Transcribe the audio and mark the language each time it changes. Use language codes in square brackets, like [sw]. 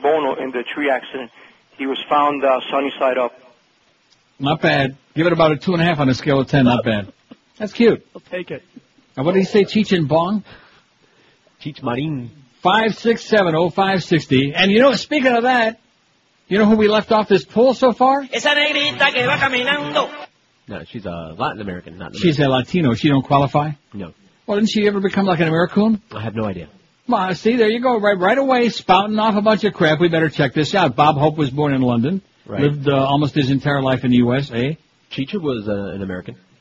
[en] Bono in the tree accident, he was found sunny side up. Not bad. Give it about a 2.5 on a scale of 10. Not bad. That's cute. I'll take it. And what did he say, Cheech and Bong? Cheech Marin. 1-800-567-0560. And you know, speaking of that, you know who we left off this poll so far? [es] Esa negrita que va caminando. [en] No, she's a Latin American, not an American. She's a Latino. She don't qualify? No. Well, didn't she ever become like an Americoon? I have no idea. Well, see, there you go. Right away, spouting off a bunch of crap. We better check this out. Bob Hope was born in London. Right. Lived almost his entire life in the U.S., eh? Chicha was an American.